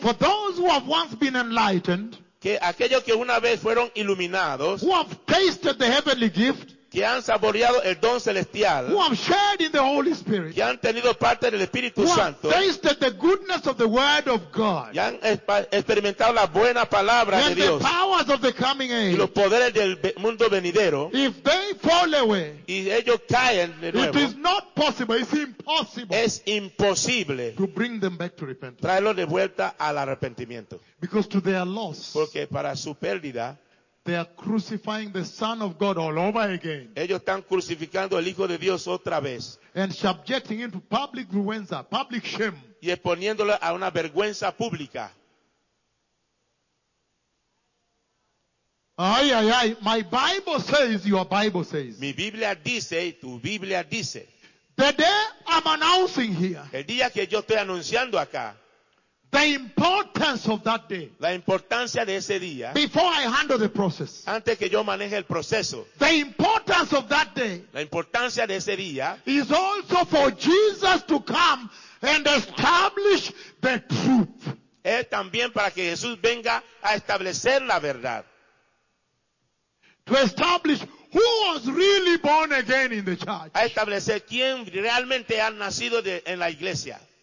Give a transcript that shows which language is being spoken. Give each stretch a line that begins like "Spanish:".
English: For those who have once been enlightened.
Spanish: Que aquellos que una vez fueron iluminados.
English: Who have tasted the heavenly gift.
Spanish: Que han saboreado el don celestial.
English: Who have shared in the Holy Spirit.
Spanish: Que han tenido parte del Espíritu Santo.
English: Who have tasted the goodness of the word of God.
Spanish: Y han experimentado la buena palabra de Dios.
English: And the powers of the coming age.
Spanish: Y los poderes del mundo venidero.
English: If they fall away.
Spanish: Y ellos caen de nuevo.
English: It is not possible. It's impossible.
Spanish: Es imposible.
English: To bring them back to repentance.
Spanish: Traerlos de vuelta al arrepentimiento.
English: Because to their loss.
Spanish: Porque para su pérdida.
English: They are crucifying the Son of God all over again.
Spanish: Ellos están crucificando al Hijo de Dios otra vez.
English: And subjecting him to public vergüenza, public shame.
Spanish: Y exponiéndolo a una vergüenza pública.
English: Ay, ay, ay. My Bible says, your Bible says.
Spanish: Mi Biblia dice, tu Biblia dice.
English: The day I'm announcing here.
Spanish: El día que yo estoy anunciando acá.
English: The importance of that day.
Spanish: La importancia de ese día.
English: Before I handle the process.
Spanish: Antes que yo maneje el proceso.
English: The importance of that day.
Spanish: La importancia de ese día.
English: Is also for Jesus to come and establish the truth.
Spanish: Es también para que Jesús venga a establecer la verdad.
English: To establish Who was really born again in the church?
Spanish: A establecer quién realmente ha nacido de, en la iglesia.